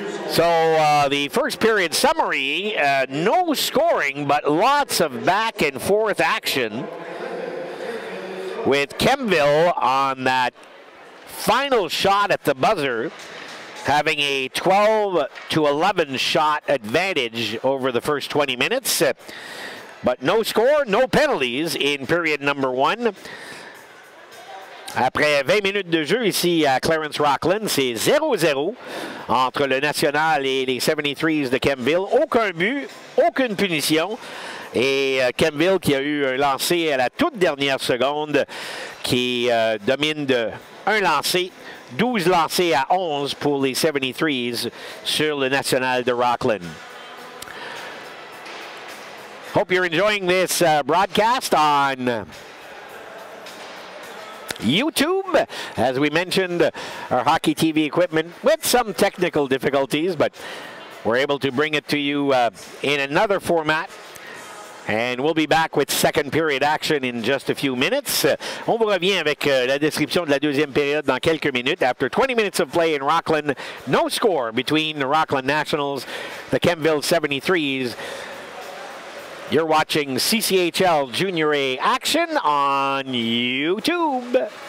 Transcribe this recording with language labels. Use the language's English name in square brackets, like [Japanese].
[English] So the first period summary, no scoring, but lots of back and forth action with Kemptville on that final shot at the buzzer having a 12-11 shot advantage over the first 20 minutes. But no score, no penalties in period number one. [French] Après 20 minutes de jeu ici à Clarence Rockland, c'est 0-0 entre le National et les 73's de Kemptville. Aucun but, aucune punition. Et Kemptville qui a eu un lancer à la toute dernière seconde qui domine de un lancer, 12 lancers à 11 pour les 73's sur le National de Rockland. [English] Hope you're enjoying this broadcast on YouTube. As we mentioned, our hockey TV equipment with some technical difficulties, but we're able to bring it to you in another format. And we'll be back with second period action in just a few minutes. [French] On vous revient avec la description de la deuxième période dans quelques minutes. [English] After 20 minutes of play in Rockland, no score between the Rockland Nationals, the Kemptville 73s. You're watching CCHL Junior A action on YouTube.